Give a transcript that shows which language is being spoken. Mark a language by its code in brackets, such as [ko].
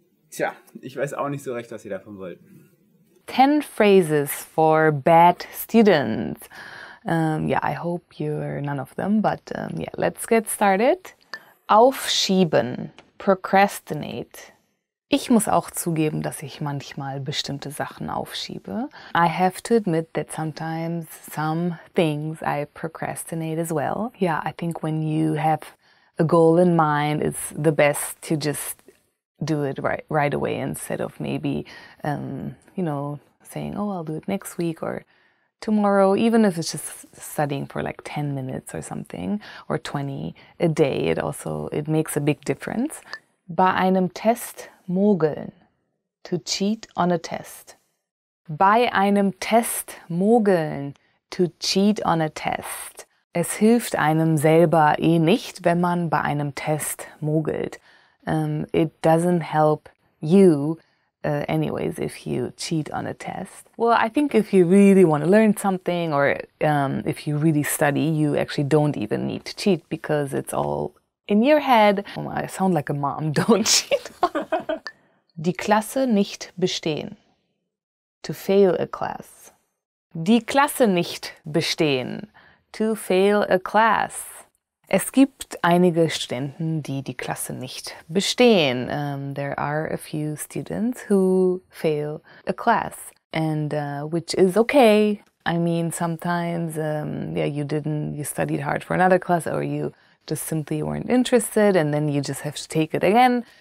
[de] Tja, ich weiß auch nicht so recht, was ihr davon wollt. [en] 10 phrases for bad students. I hope you're none of them, but let's get started. [de] Aufschieben, procrastinate. Ich muss auch zugeben, dass ich manchmal bestimmte Sachen aufschiebe. [en] I have to admit that sometimes some things I procrastinate as well. Yeah, I think when you have a goal in mind, it's the best to just do it right away instead of maybe, saying, oh, I'll do it next week or tomorrow, even if it's just studying for like 10 minutes or something, or 20 a day, it makes a big difference. [de] Bei einem Test mogeln, [en] to cheat on a test. [de] Bei einem Test mogeln, [en] to cheat on a test. [de] Es hilft einem selber eh nicht, wenn man bei einem Test mogelt. [en] It doesn't help you anyways if you cheat on a test. Well, I think if you really want to learn something or if you really study, you actually don't even need to cheat because it's all in your head. Oh, I sound like a mom. Don't cheat. [de] Die Klasse nicht bestehen. [en] To fail a class. [de] Die Klasse nicht bestehen. [en] To fail a class. [de] Es gibt einige Studenten, die die Klasse nicht bestehen. [en] There are a few students who fail a class. And which is okay. I mean, sometimes you studied hard for another class or you just simply weren't interested and then you just have to take it again.